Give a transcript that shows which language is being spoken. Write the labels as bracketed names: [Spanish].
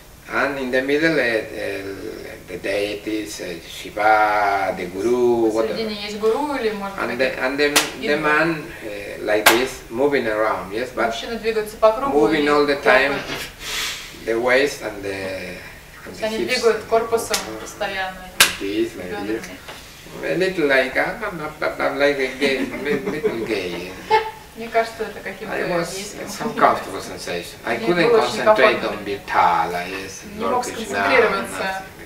[English] And in the middle, the deities, Shiva, the Guru, whatever. [Russian] Среди них есть Гуру или может быть... [English] And the man, like this, moving around, yes, but... [Russian] Мужчина двигается по кругу. [English] Moving all the time, the waist and the hips. [Russian] Они двигают корпусом постоянно. [English] This, like this. A little like, I'm like a gay, little gay. [Russian] Мне кажется, это каким-то... [English] It was some comfortable sensation. I couldn't concentrate on Vitala, yes. [Russian] Не мог сконцентрироваться.